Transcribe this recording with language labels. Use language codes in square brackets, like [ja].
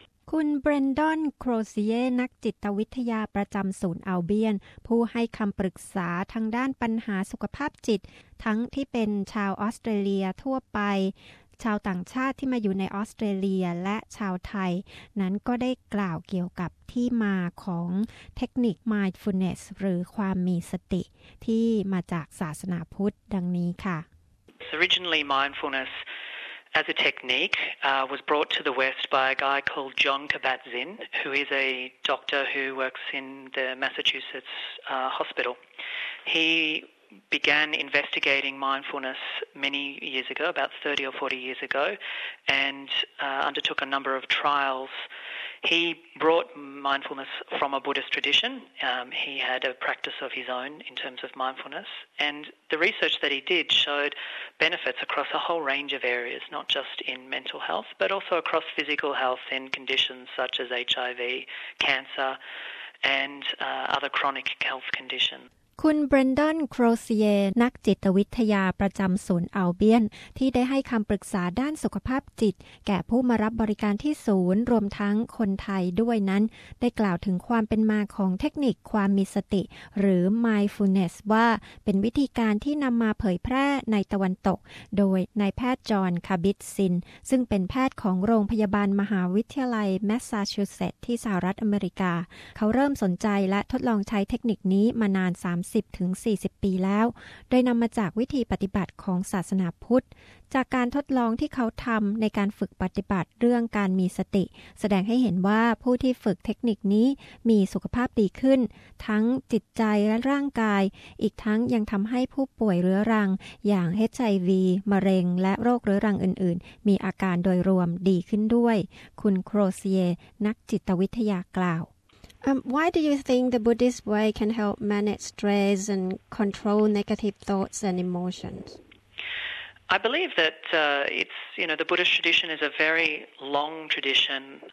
[th] คุณเบรนดอนโครเซียนักจิตวิทยาประจำศูนย์อัลเบียนผู้ให้คำปรึกษาทางด้านปัญหาสุขภาพจิตทั้งที่เป็นชาวออสเตรเลียทั่วไปชาวต่างชาติที่มาอยู่ในออสเตรเลียและชาวไทยนั้นก็ได้กล่าวเกี่ยวกับที่มาของเทคนิค mindfulness หรือความมีสติที่มาจากศาสนาพุทธดังนี้ค่ะ [en] Originally mindfulnessAs a technique, was brought to the West by a guy called Jon Kabat-Zinn, who is a doctor who works in the Massachusetts hospital. He began investigating mindfulness many years ago, about 30 or 40 years ago, and undertook a number of trials. He brought mindfulness from a Buddhist tradition. He had a practice of his own in terms of mindfulness, and the research that he did showed benefits across a whole range of areas, not just in mental health, but also across physical health in conditions such as HIV, cancer, and other chronic health conditions. [th] คุณเบรนดอนโครเซียนักจิตวิทยาประจำศูนย์อัลเบียนที่ได้ให้คำปรึกษาด้านสุขภาพจิตแก่ผู้มารับบริการที่ศูนย์รวมทั้งคนไทยด้วยนั้นได้กล่าวถึงความเป็นมาของเทคนิคความมีสติหรือ mindfulness ว่าเป็นวิธีการที่นำมาเผยแพร่ในตะวันตก โดยนายแพทย์จอห์นคาบิตซินซึ่งเป็นแพทย์ของโรงพยาบาลมหาวิทยาลัยแมสซาชูเซตส์ที่สหรัฐอเมริกาเขาเริ่มสนใจและทดลองใช้เทคนิคนี้มานาน 30-40 ปีแล้วโดยนำมาจากวิธีปฏิบัติของศาสนาพุทธจากการทดลองที่เขาทำในการฝึกปฏิบัติเรื่องการมีสติแสดงให้เห็นว่าผู้ที่ฝึกเทคนิคนี้มีสุขภาพดีขึ้นทั้งจิตใจและร่างกายอีกทั้งยังทำให้ผู้ป่วยเรื้อรังอย่าง HIV มะเร็งและโรคเรื้อรังอื่นๆมีอาการโดยรวมดีขึ้นด้วยคุณโครเซียนักจิตวิทยากล่าว [en] Why do you think the Buddhist way can help manage stress and control negative thoughts and emotions? I believe that the Buddhist tradition is a very long tradition.